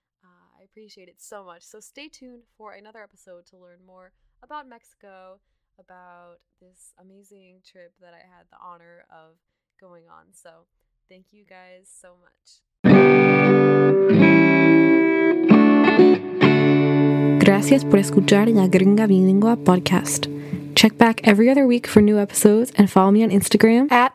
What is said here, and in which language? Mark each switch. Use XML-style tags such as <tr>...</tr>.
<en>I appreciate it so much. So stay tuned for another episode to learn more about Mexico, about this amazing trip that I had the honor of going on. So thank you guys so much.</en> <es>Gracias por escuchar La Gringa Bilingua podcast.</es> <en>Check back every other week for new episodes and follow me on Instagram</en>